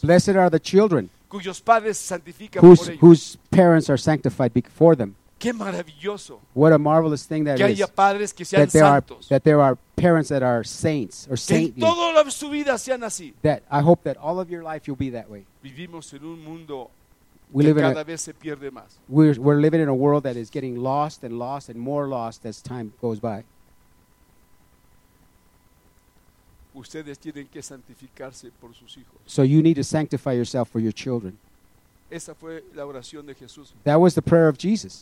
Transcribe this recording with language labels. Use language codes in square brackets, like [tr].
[en] Blessed are the children [es] cuyos padres santifican [en] whose, [es] por ellos. [en] Whose parents are sanctified before them. [es] Qué maravilloso. [en] What a marvelous thing that [es] que [en] is. [es] Que haya padres que sean [en] that there [es] santos. [en] Are, that there are parents that are saints or saintly. [es] Que toda su vida sean así. [en] That I hope that all of your life you'll be that way. [es] Vivimos en un mundo we que cada vez se pierde más. [en] We're living in a world that is getting lost and lost and more lost as time goes by. [es] Ustedes tienen que santificarse por sus hijos. [en] So you need to sanctify yourself for your children. [es] Esa fue la oración de Jesús. [en] That was the prayer of Jesus.